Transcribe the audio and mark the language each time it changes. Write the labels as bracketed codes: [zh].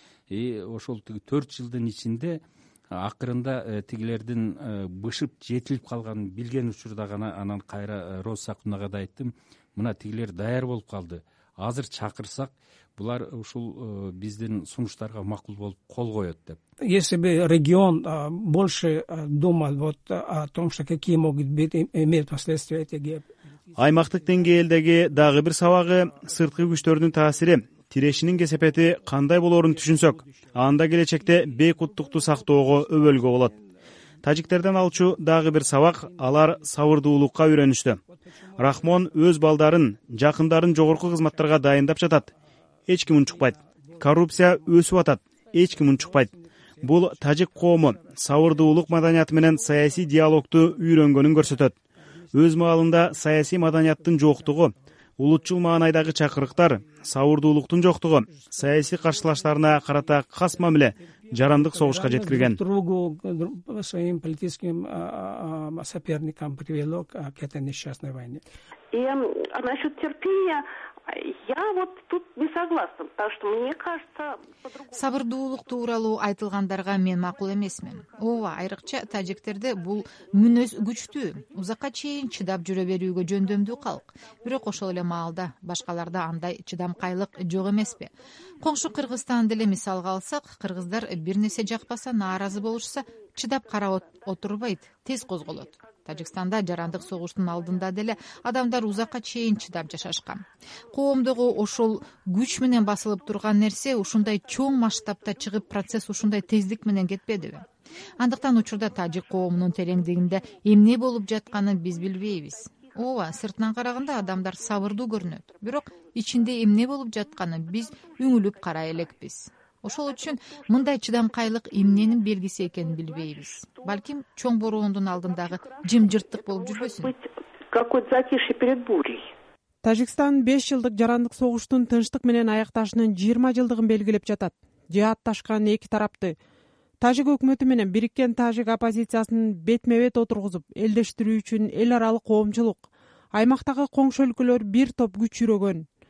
[ky] Ошол тиги 4 жылдын ичинде акырында тигилердин бышып жетилип калганын билген учурда гана анан кайра Роза Акунага да айттым, мына тигилер даяр болуп калды, азыр чакырсак булар ушул биздин сунуштарга макул болуп кол коет деп. [ru] Если бы регион больше думал вот о том, что какие могут иметь последствия эти геп. [ky] Аймактык деңгээлдеги дагы бир сабагы сырткы күчтөрдүн таасири, тирешинин кесепети кандай болорун түшүнсөк, анда келечекте бейкуттукту сактоого өбөлгө болот. Тажиктерден алчу дагы бир сабак, алар сабырдуулукка үйрөнүштү. Рахмон өз балдарын, жакындарын жогорку кызматтарга дайындап жатат, эч ким унчукпайт. Коррупция өсүп атат, эч ким унчукпайт. Бул тажик коому сабырдуулук маданияты менен саясий диалогду үйрөнгөнүн көрсөтөт. Өз маалында саясий маданияттын жоктугу, улутчул маанайдагы чакырыктар, сабырдуулуктун жоктугу саясий каршылаштарына карата кас мамиле, жарандык согушка жеткирген. [ru] Своим политическим соперникам привело к этой несчастной войне. А насчет терпения, я вот тут не согласна, потому что мне кажется, [ky] сабырдуулук тууралуу айтылгандарга мен макул эмесмин. Ооба, айрыкча тажиктерде бул мүнөз күчтүү, узакка чейин чыдап жүрө берүүгө жөндөмдүү калк. Бирок ошол эле маалда башкаларда андай чыдамкайлык жок эмеспи? Коңшу Кыргызстан деле мисалга алсак, кыргыздар бир нерсе жакпаса, нааразы болушса, чыдап карап отурбайт, тез козголот. Тажикстанда жарандык согуштун алдында деле адамдар узакка чейин чыдап жашашкан. Коомдогу ошол күч менен басылып турган нерсе ушундай чоң масштабта чыгып, процесс ушундай тездик менен кетпедиби? Андыктан учурда тажик коомунун тереңдигинде эмне болуп жатканын биз билбейбиз. Ооба, сыртынан караганда адамдар сабырдуу көрүнөт, бирок ичинде эмне болуп жатканын биз үңүлүп карай элекпиз. Ошол үчүн мындай чыдамкайлык эмненин белгиси экенин билбейбиз. Балким чоң бороондун алдындагы жимжырттык болуп жүрбөсүн. [ru] Какой затишье перед бурей. [ky] Тажикстан 5 жылдык жарандык согуштун тынчтык менен аякташынын 20 жылдыгын белгилеп жатат. Жаатташкан эки тарапты, тажик өкмөтү менен бириккен тажик оппозициясын бетме бет отургузуп элдештирүү үчүн эл аралык коомчулук, аймактагы коңшу өлкөлөр бир топ күч жүрөгөн.